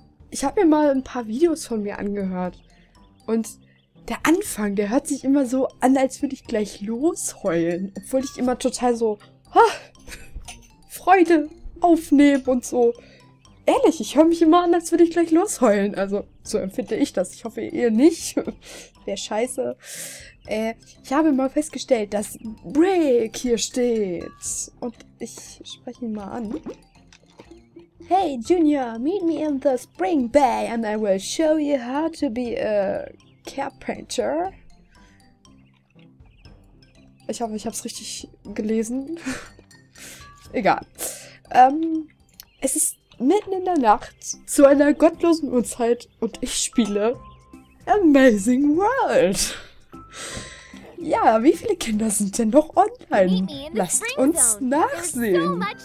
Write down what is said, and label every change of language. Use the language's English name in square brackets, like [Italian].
[German] Ich habe mir mal ein paar Videos von mir angehört und der Anfang, der hört sich immer so an, als würde ich gleich losheulen, obwohl ich immer total so Freude aufnehme und so. Ehrlich, ich höre mich immer an, als würde ich gleich losheulen. Also, so empfinde ich das. Ich hoffe, ihr nicht. Wäre scheiße. Ich habe mal festgestellt, dass Break hier steht. Und ich spreche ihn mal an. [English] Hey Junior, meet me in the Spring Bay and I will show you how to be a carpenter. [German] Ich hoffe, ich habe es richtig gelesen. Egal. Es ist mitten in der Nacht zu einer gottlosen Uhrzeit und ich spiele Amazing World. Ja, wie viele Kinder sind denn noch online? Lasst uns nachsehen.